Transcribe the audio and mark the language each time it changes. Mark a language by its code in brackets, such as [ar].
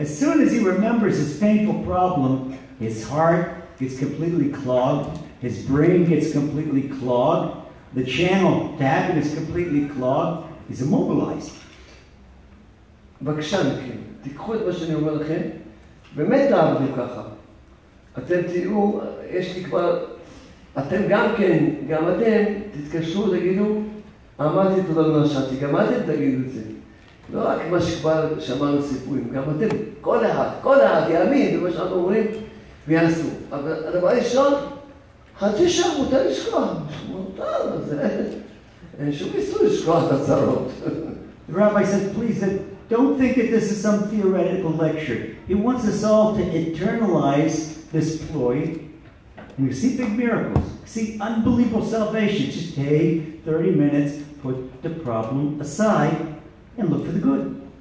[en] As soon as he remembers his painful problem, his heart gets completely clogged, his brain gets completely clogged, the channel to happen is completely clogged, he's immobilized. [he] בבקשה מכם, תיקחו את מה שאני אומר לכם, באמת תעבדו ככה. אתם תראו, יש לי כבר, אתם גם כן, גם אתם, תתקשרו, תגידו, אמרתי תודה רבה שאתי, גם אתם תגידו את זה. לא רק מה שכבר שמענו סיפורים, גם אתם, כל אחד יאמין במה שאנחנו אומרים, ויעשו. אבל הדבר הראשון, חצי שעה מותר לשכוח, מותר, זה, אין שום איסור לשכוח את הצרות. [en] The rabbi said, please, don't think that this is some theoretical lecture. He wants us all to internalize this ploy. We see big miracles, see unbelievable salvation. Just take 30 minutes, put the problem aside, and look for the good.